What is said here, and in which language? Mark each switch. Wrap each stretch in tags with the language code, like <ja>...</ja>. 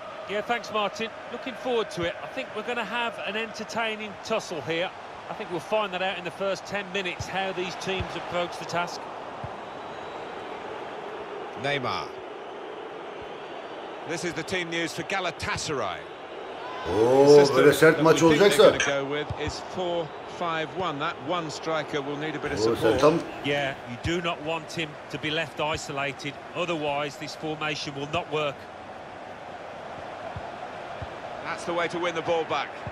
<en>Yeah, thanks Martin. Looking forward to it. I think we're going to have an entertaining tussle here. I think we'll find that out in the first 10 minutes how these teams approach the task. Neymar. This is the team news for Galatasaray.</en> <tr>Oh, öyle sert maç olacaksa.</tr> <en>4-5-1. That one striker will need a bit of support. Yeah, you do not want him to be left isolated. Otherwise, this formation will not work. That's the way to win the ball back.</en>